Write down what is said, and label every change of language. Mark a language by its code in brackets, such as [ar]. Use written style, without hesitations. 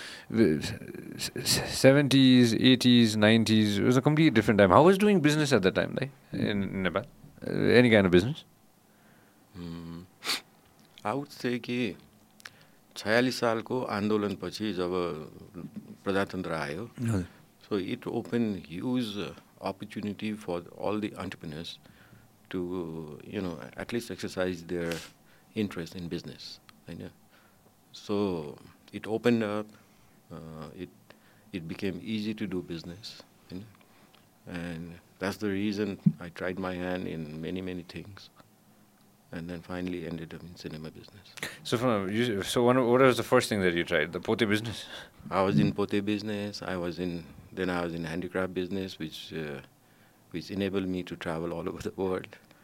[en] '70s, '80s, '90s, it was a completely different time. How was doing business at that time, in Nepal? Any kind of business? [ne] आउ चाहिँ कि 46 सालको आन्दोलनपछि जब प्रजातन्त्र आयो [en] So it open huge opportunity for all the entrepreneurs to you know at least exercise their interest in business होइन so it open up it became easy to do business होइन and that's the reason I tried my hand in many many things And then finally ended up in cinema business. So from what was the first thing that you tried? The pote business? I was in pote business. I was in handicraft business, which enabled me to travel all over the world.